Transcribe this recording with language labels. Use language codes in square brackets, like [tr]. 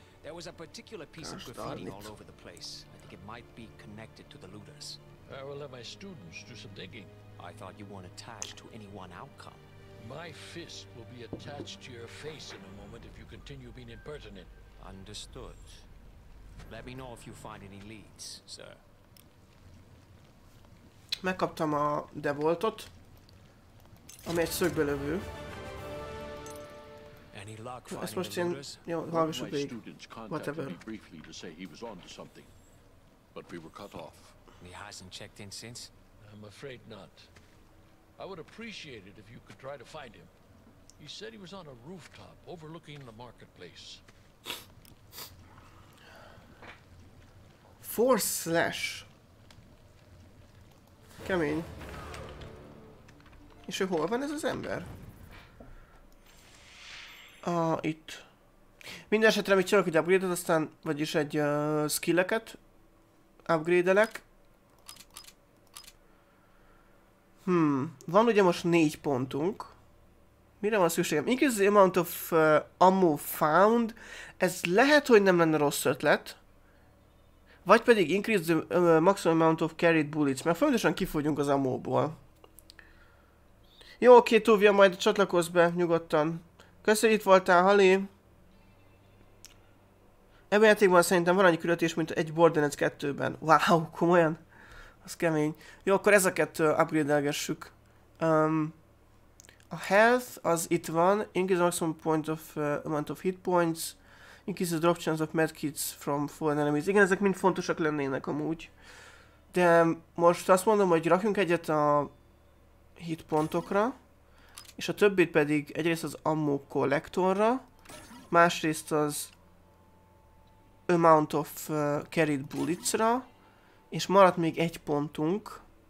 [en] There was a particular piece of graffiti all over the place. I think it might be connected to the looters. I will let my students do some digging. I thought you weren't attached to any one outcome. My fist will be attached to your face in a moment if you continue being impertinent. Understood. Let me know if you find any leads, sir. [hu] Megkaptam a devoltot, ami egy szögbe lövő. Ezt most én, jó, hallgassuk végig. [en] Whatever. Briefly to say he was on to something, but we were cut off. He hasn't checked in since. I'm afraid not. I would appreciate it if you could try to find him. He said he was on a rooftop overlooking the marketplace. Force slash. [hu] Kemény. És ő hol van ez az ember? Ah, itt. Mindenesetre mit csinálok, hogy upgrade-et, aztán, vagyis egy skill-eket upgrade-elek. Van ugye most 4 pontunk. Mire van szükségem? [en] Increase the amount of ammo found. [hu] Ez lehet, hogy nem lenne rossz ötlet. Vagy pedig [en] increase the maximum amount of carried bullets, [hu] mert folyamatosan kifogyunk az ammóból. Jó, oké, Tuvia, majd csatlakozz be nyugodtan. Köszönjük, hogy itt voltál, Hali! Ebben a játékban szerintem van annyi küldetés, mint egy Borderlands 2-ben. Wow, komolyan? Az kemény. Jó, akkor ezeket upgrade-elgessük. A health az itt van. [en] Increase the maximum point of, amount of hit points. Increase the drop chance of medkits from fallen enemies. [hu] Igen, ezek mind fontosak lennének amúgy. De most azt mondom, hogy rakjunk egyet a hit pontokra. És a többit pedig egyrészt az ammo collectorra, másrészt az [en] amount of carried bulletsra, [hu] és maradt még egy pontunk.